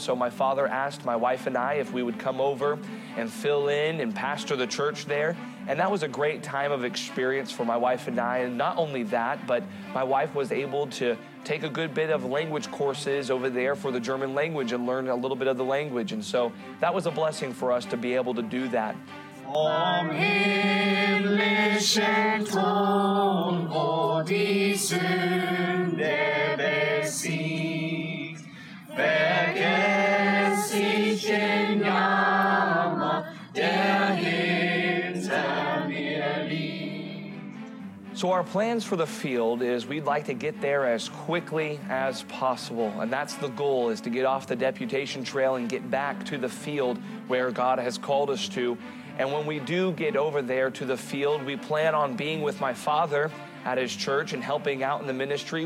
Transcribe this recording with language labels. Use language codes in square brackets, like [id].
[en] And so my father asked my wife and I if we would come over and fill in and pastor the church there. And that was a great time of experience for my wife and I. And not only that, but my wife was able to take a good bit of language courses over there for the German language and learn a little bit of the language. And so that was a blessing for us to be able to do that. [de] Vom himmlischen Thron, wo die Sünde besiegt, vergess ich den Jammer, der hinter mir liegt. [en] So our plans for the field is we'd like to get there as quickly as possible. And that's the goal, is to get off the deputation trail and get back to the field where God has called us to. And when we do get over there to the field, we plan on being with my father at his church and helping out in the ministry.